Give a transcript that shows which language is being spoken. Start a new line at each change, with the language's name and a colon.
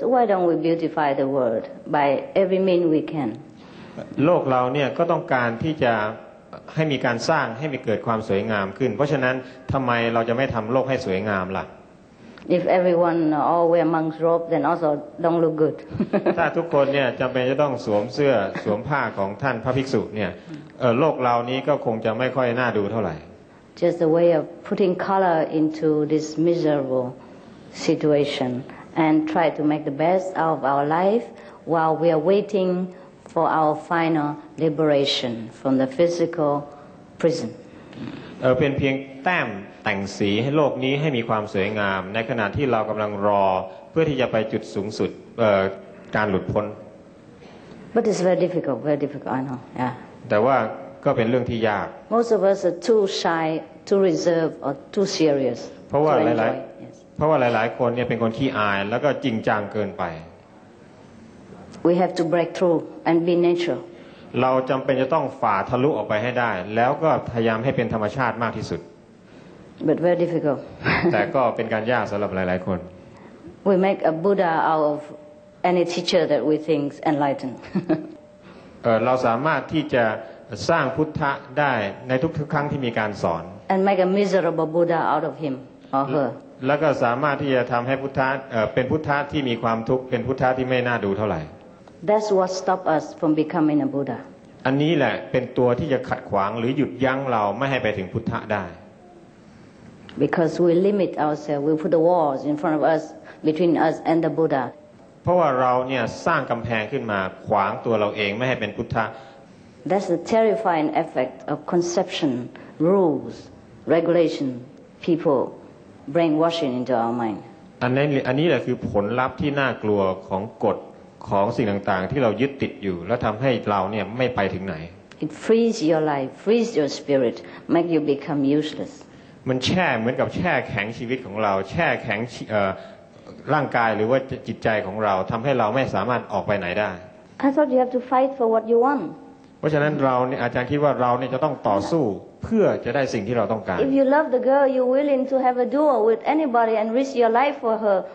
English: So why don't we beautify the world by every means we can?
Thai: โลกเราเนี่ยก็ต้องการที่จะให้มีการสร้างให้มีเกิดความสวยงามขึ้นเพราะฉะนั้นทำไมเราจะไม่ทำโลกให้สวยงามล่ะ
English: If everyone all wear monk's robe, then also don't look good.
Thai: ถ้าทุกคนเนี่ยจำเป็นจะต้องสวมเสื้อสวมผ้าของท่านพระภิกษุเนี่ยโลกเรานี้ก็คงจะไม่ค่อยน่าดูเท่าไหร่
English: Just a way of putting color into this miserable situation and try to make the best out of our life while we are waiting for our final liberation from the physical prison.
Thai: เป็นเพียงแต้มแต่งสีให้โลกนี้ให้มีความสวยงามในขณะที่เรากำลังรอเพื่อที่จะไปจุดสูงสุดการหลุดพ้น
English: But it's very difficult I know yeah.
Thai: แต่ว่าก็เป็นเรื่องที่ยาก
English: Most of us are too shy, too reserved, or too serious.
Thai: เพราะว่าหลายคนเนี่ยเป็นคนขี้อายแล้วก็จริงจังเกินไป
English: We have to break through and be natural.
Thai: เราจำเป็นจะต้องฝ่าทะลุออกไปให้ได้แล้วก็พยายามให้เป็นธรรมชาติมากที่สุด
English: But very difficult.
Thai: แต่ก็เป็นการยากสำหรับหลายคน
English: We make a Buddha out of any teacher that we think is enlightened.
Thai: เราสามารถที่จะสร้างพุทธะได้ในทุกๆครั้งที่มีการสอน
English: And make a miserable Buddha out of him or her
Thai: แล้วก็สามารถที่จะทำให้พุทธะเป็นพุทธะที่มีความทุกข์เป็นพุทธะที่ไม่น่าดูเท่าไหร่
English: That's what stop us from becoming a Buddha
Thai: อันนี้แหละเป็นตัวที่จะขัดขวางหรือหยุดยั้งเราไม่ให้ไปถึงพุทธะได้
English: Because we limit ourselves we put the walls in front of us between us and the Buddha
Thai: เพราะว่าเราเนี่ยสร้างกำแพงขึ้นมาขวางตัวเราเองไม่ให้เป็นพุทธะ
English: That's the terrifying effect of conception, rules, regulation, people brainwashing into our mind.
Thai: อันนี้แหละคือผลลัพธ์ที่น่ากลัวของกฎของสิ่งต่างๆที่เรายึดติดอยู่และทำให้เราเนี่ยไม่ไปถึงไหน
English: It frees your life, frees your spirit, make you become useless.
Thai: มันแช่เหมือนกับแช่แข็งชีวิตของเราแช่แข็งร่างกายหรือว่าจิตใจของเราทำให้เราไม่สามารถออกไปไหนได้
English: I thought you have to fight for what you want.
Thai: เพราะฉะนั้นเราเนี่ยอาจารย์คิดว่าเราเนี่ยจะต้องต่อสู้เพื่อจะได้สิ่งที่เราต้องการ
English: If you love the girl, you're willing to have a duel with anybody and risk your life for her.